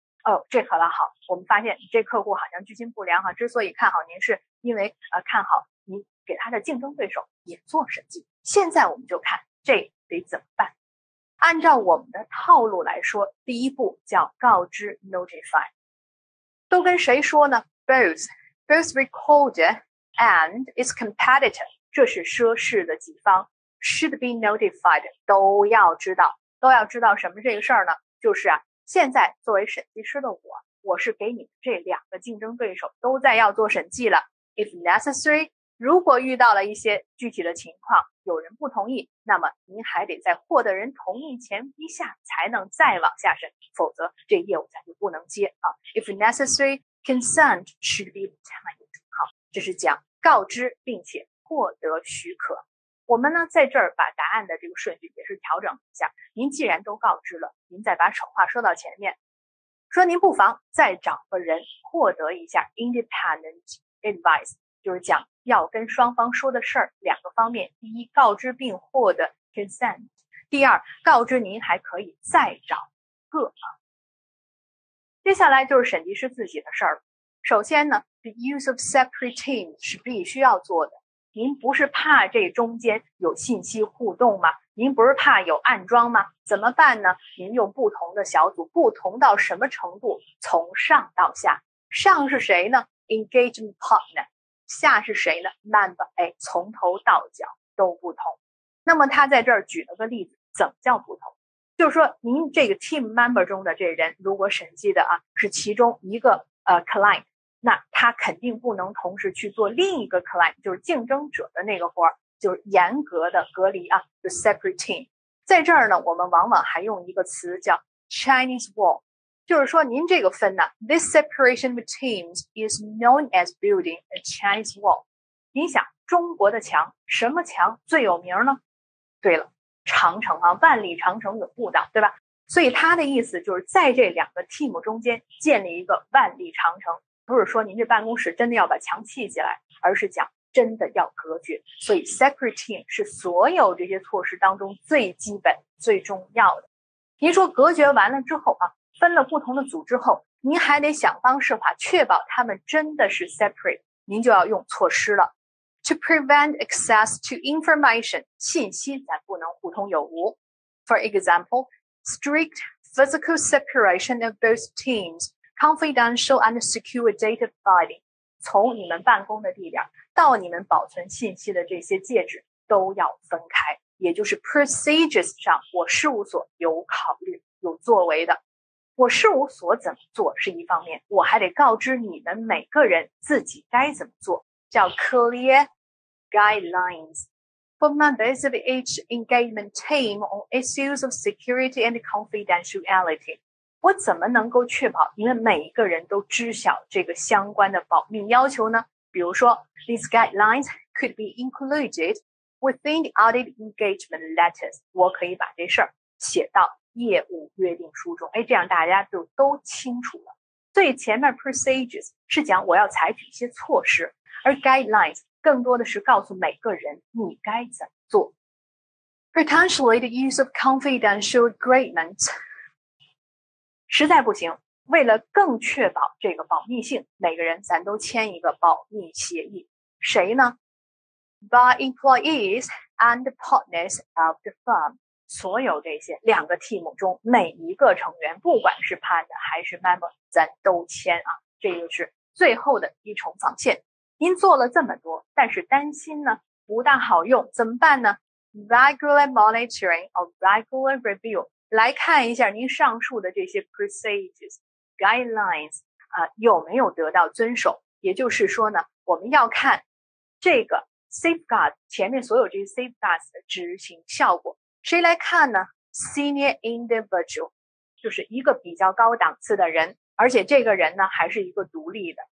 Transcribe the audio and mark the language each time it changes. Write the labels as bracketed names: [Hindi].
[Chinese] 哦，这可倒好，我们发现这客户好像居心不良啊，之所以看好您是因为看好您给他的竞争对手也做审计。现在我们就看这得怎么办。按照我们的套路来说，第一步叫告知 notify。都跟谁说呢？ [English] Both recorder and its competitor, [Chinese] 这是涉事的几方 [English] should be notified, [Chinese] 都要知道。都要知道什么这个事儿呢？就是啊，现在作为审计师的我是给你们这两个竞争对手都在要做审计了。 [English] If necessary, [Chinese] 如果遇到了一些具体的情况有人不同意，那么您还得在获得人同意前一下才能再往下审，否则这业务咱就不能接啊。 [English] If necessary, consent should be obtained. [Chinese] 好，这是讲告知并且获得许可。我们呢在这儿把答案的这个顺序也是调整一下，您既然都告知了，您再把丑话说到前面，说您不妨再找个人获得一下 independent advice, 就是讲要跟双方说的事儿，两个方面，第一告知并获得 consent, 第二告知您还可以再找个。接下来就是审计师自己的事儿了。首先呢 the use of separate team 是必须要做的。您不是怕这中间有信息互动吗？您不是怕有暗桩吗？怎么办呢？您用不同的小组，不同到什么程度？从上到下。上是谁呢？engagement partner。 下是谁呢？member。哎，从头到脚都不同。那么他在这儿举了个例子，怎么叫不同？就是说您这个 team member 中的这人如果审计的啊是其中一个client,那他肯定不能同时去做另一个 client, 就是竞争者的那个活，就是严格的隔离啊，就 separate team。在这儿呢我们往往还用一个词叫 Chinese wall, 就是说您这个分呢 [English] This separation of teams is known as building a Chinese wall。 [Chinese] 你想中国的墙，什么墙最有名呢？对了，长城啊，万里长城永不倒，对吧？所以他的意思就是在这两个 team 中间建立一个万里长城，不是说您这办公室真的要把墙砌起来，而是讲真的要隔绝。所以 separate team 是所有这些措施当中最基本最重要的。您说隔绝完了之后啊，分了不同的组之后，您还得想方设法确保他们真的是 separate, 您就要用措施了。 [English] To prevent access to information, [Chinese] 信息咱不能互通有无。 [English] For example, strict physical separation of both teamsconfidential and secure data filing, [Chinese] 从你们办公的地点到你们保存信息的这些介质都要分开，也就是 procedures 上我事务所有考虑有作为的。我事务所怎么做是一方面，我还得告知你们每个人自己该怎么做，叫 clear guidelines. [English] For members of each engagement team on issues of security and confidentiality, [Chinese] 我怎么能够确保因为每一个人都知晓这个相关的保密要求呢？比如说 [English] These guidelines could be included within the audit engagement letters. [Chinese] 我可以把这事儿写到业务约定书中，哎，这样大家就都清楚了。所以前面 procedures 是讲我要采取一些措施，而 guidelines 更多的是告诉每个人你该怎么做。 [English] Potentially the use of confidential agreements, [Chinese] 实在不行，为了更确保这个保密性，每个人咱都签一个保密协议。谁呢？ [English] By employees and partners of the firm. [Chinese] 所有这些两个 team 中每一个成员，不管是 partner 还是 member, 咱都签啊。这就是最后的一重防线。您做了这么多，但是担心呢不大好用，怎么办呢？ [English] Regular monitoring or regular review. [Chinese] 来看一下您上述的这些 procedures, guidelines, 啊，有没有得到遵守。也就是说呢，我们要看这个 safeguard, 前面所有这些 safeguards 的执行效果。谁来看呢？ [English] Senior individual, [Chinese] 就是一个比较高档次的人，而且这个人呢还是一个独立的。